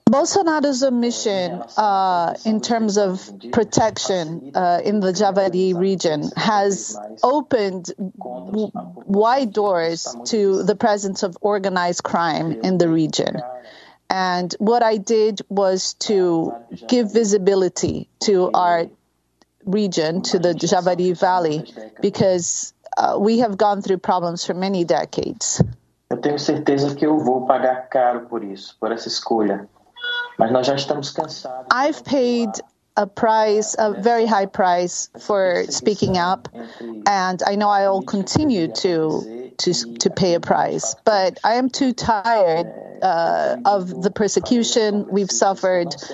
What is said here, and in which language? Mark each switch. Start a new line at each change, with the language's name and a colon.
English: Bolsonaro's omission in terms of protection in the Javari region has opened wide doors to the presence of organized crime in the region. And what I did was to give visibility to our region, to the Javari Valley, because we have gone through problems for many decades.
Portuguese: Eu tenho certeza que eu vou pagar caro por isso, por essa escolha. Mas nós já estamos cansados.
English: I've paid a price, a very high price, for speaking up, and I know I'll continue to pay a price. But I am too tired of the persecution we've suffered.